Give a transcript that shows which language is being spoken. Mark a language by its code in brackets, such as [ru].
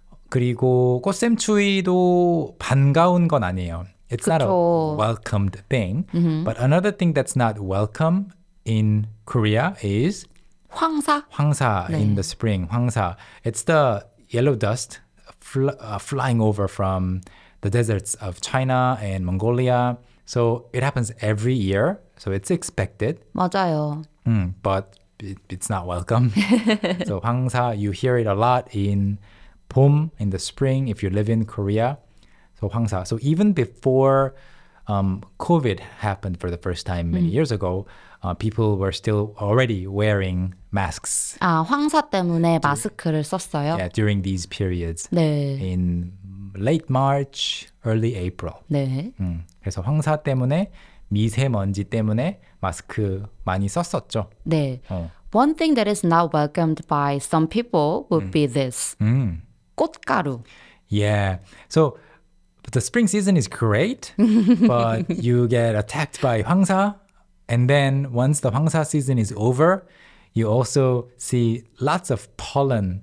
[ko] 그리고 꽃샘추위도 반가운 건 아니에요. [en] It's [ko] 그쵸. [en] not a welcomed thing. Mm-hmm. But another thing that's not welcome in Korea is [ko] 황사. 황사 네. [en] in the spring, [ko] 황사. [en] It's the yellow dust flying over from the deserts of China and Mongolia. So it happens every year. So it's expected. [ko] 맞아요. [en] But it's not welcome. So 황사, you hear it a lot in 봄, in the spring, if you live in Korea. So 황사. So even before COVID happened for the first time many years ago, people were still already wearing masks. [ko] 아, 황사 때문에 마스크를 썼어요? [en] Yeah, during these periods. [ko] 네. [en] In late March, early April. [ko] 네. 그래서 황사 때문에, 미세먼지 때문에 마스크 많이 썼었죠. 네. [en] One thing that is not welcomed by some people would be this. [ko] 꽃가루. [en] Yeah. So the spring season is great, but you get attacked by 황사. And then once the 황사 season is over, you also see lots of pollen